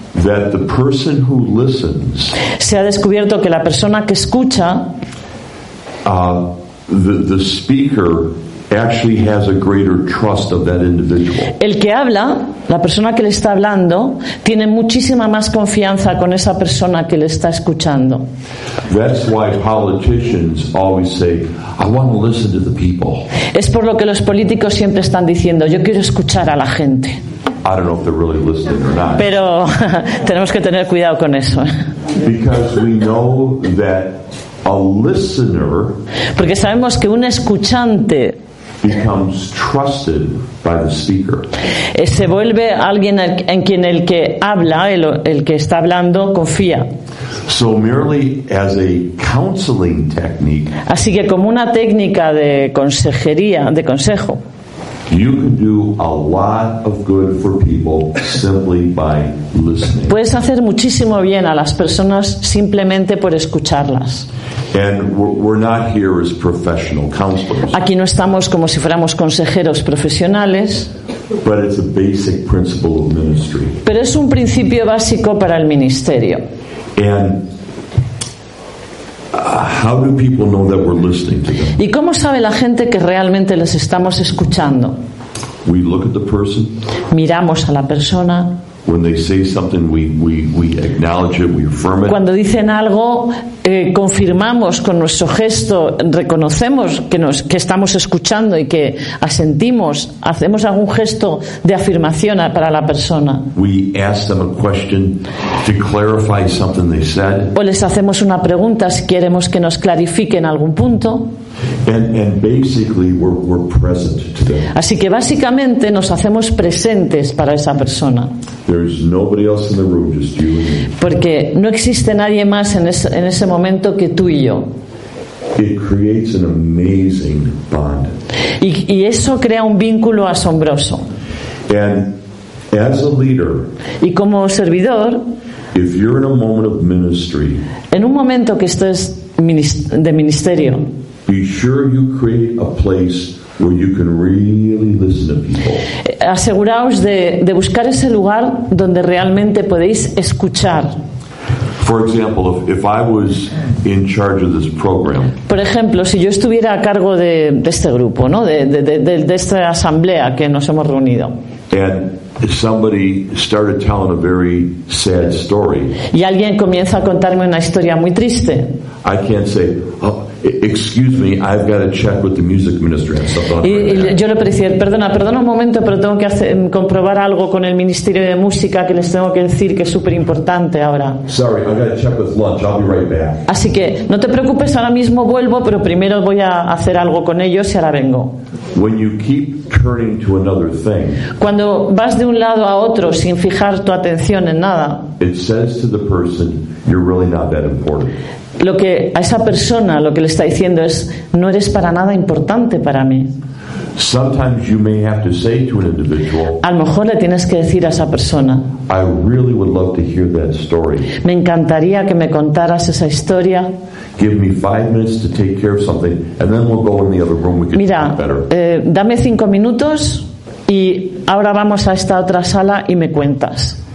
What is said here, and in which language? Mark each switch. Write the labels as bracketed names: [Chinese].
[English] that the person who listens, [Spanish] se ha descubierto que la persona que escucha, [English] the speaker actually has a greater trust of that individual. [Spanish] El que habla, la persona que le está hablando, tiene muchísima más confianza con esa persona que le está escuchando. [English] That's why politicians always say, I want to listen to the people. [Spanish] Es por lo que los políticos siempre están diciendo, yo quiero escuchar a la gente. [English] I don't know if they're really listening or not. [Spanish] Pero tenemos que tener cuidado con eso. [English] Because we know that a listener, [Spanish] porque sabemos que un escuchante [English] becomes trusted by the speaker. [Spanish] Se vuelve alguien en quien el que habla, el que está hablando, confía. [English] So merely as a counseling technique, [Spanish] así que como una técnica de consejería, de consejo, [English] you can do a lot of good for people simply by listening. [Spanish] Puedes hacer muchísimo bien a las personas simplemente por escucharlas. [English] And we're not here as professional counselors. [Spanish] Aquí no estamos como si fuéramos consejeros profesionales. [English] But it's a basic principle of ministry. [Spanish] Pero es un principio básico para el ministerio. [English] And how do people know that we're listening to them? [Spanish] ¿Y cómo sabe la gente que realmente les estamos escuchando? [English] We look at the person. [Spanish] Miramos a la persona. [English] When they say something, we acknowledge it, we affirm it. [Spanish] Cuando dicen algo, confirmamos con nuestro gesto, reconocemos que estamos escuchando y que asentimos, hacemos algún gesto de afirmación para la persona. [English] We ask them a question to clarify something they said. [Spanish] O les hacemos una pregunta si queremos que nos clarifiquen algún punto. [English] And basically we're present to them. [Spanish] Así que básicamente nos hacemos presentes para esa persona. [English] There's nobody else in the room, just you and me. [Spanish] Porque no existe nadie más en ese momento que tú y yo. [English] It creates an amazing bond. [Spanish] Y eso crea un vínculo asombroso. [English] And as a leader, [Spanish] y como servidor, [English] if you're in a moment of ministry, [Spanish] en un momento que estés de ministerio, [English] be sure you create a place where you can really listen to people. [Spanish] Aseguraos de buscar ese lugar donde realmente podéis escuchar. [English] For example, if I was in charge of this program. [Spanish] Por ejemplo, si yo estuviera a cargo de este grupo, ¿no? De esta asamblea que nos hemos reunido. [English] And somebody started telling a very sad story. [Spanish] Y alguien comienza a contarme una historia muy triste. [English] I can't say, oh, excuse me, I've got to check with the music ministry. [Spanish] Yo le decía, perdona un momento, pero tengo que comprobar algo con el ministerio de música que les tengo que decir que es súper importante ahora. [English] Sorry, I've got to check with lunch. I'll be right back. [Spanish] Así que no te preocupes, ahora mismo vuelvo, pero primero voy a hacer algo con ellos y ahora vengo. [English] When you keep turning to another thing, [Spanish] cuando vas de un lado a otro sin fijar tu atención en nada, [English] it says to the person, you're really not that important. [Spanish] Lo que a esa persona lo que le está diciendo es no eres para nada importante para mí. [English] Sometimes you may have to say to an individual, [Spanish] a lo mejor le tienes que decir a esa persona, [English] I really would love to hear that story. [Spanish] Me encantaría que me contaras esa historia. [English] Give me 5 minutes to take care of something and then we'll go in the other room, we can talk better. [Spanish] Dame 5 minutos y ahora vamos a esta otra sala y me cuentas.